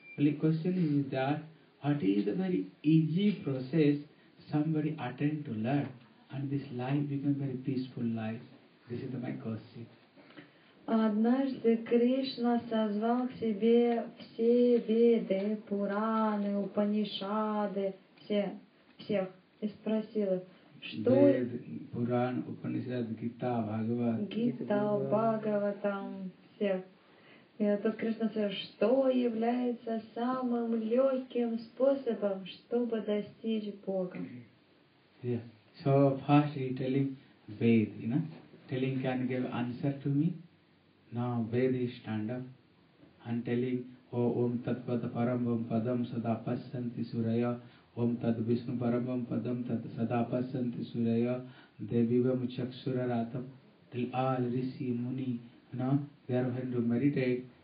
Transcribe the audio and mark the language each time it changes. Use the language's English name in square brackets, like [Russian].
[English] Well, the question is that, what is the very easy process somebody attend to learn and this life become very peaceful life? This is my question. [Russian] Однажды Кришна созвал к себе все Веды, Пураны, Упанишады, всех, и спросил их, что... Вед, Пуран, Упанишад, Гита, Бхагават. Гита, Бхагават, там, всех. И тут Кришна сказал, что является самым легким способом, чтобы достичь Бога. [English] Yeah. So, first he telling Ved, you know, telling can give answer to me. Now Ved is stand up and telling, [Sanskrit] Om Tatpat Parambam Padam Sadapasanti Suraya, Om Tat Vishnu Parambam Padam Tat Sadapasanti Suraya, Devivam Chakshura Ratam, [English] till all Rishi Muni, you know, they are going to meditate.